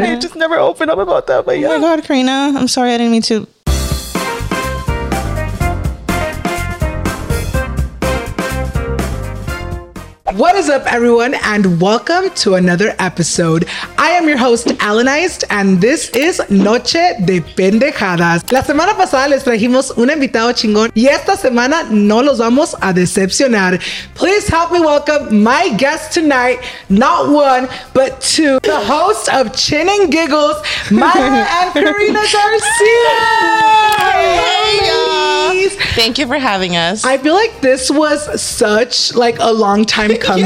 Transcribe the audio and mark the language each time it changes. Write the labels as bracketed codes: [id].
[en] I just never opened up about that. But yeah. Oh my God, Karina. I'm sorry. I didn't mean to. What is up, everyone, and welcome to another episode. I am your host, Alanized, and this is Noche de Pendejadas. [es] La semana pasada les trajimos un invitado chingón, y esta semana no los vamos a decepcionar. [en] Please help me welcome my guest tonight, not one, but two, the host of Chin and Giggles, Maya and Karina Garcia. Hey, y'all. Thank you for having us. I feel like this was such like a long time coming.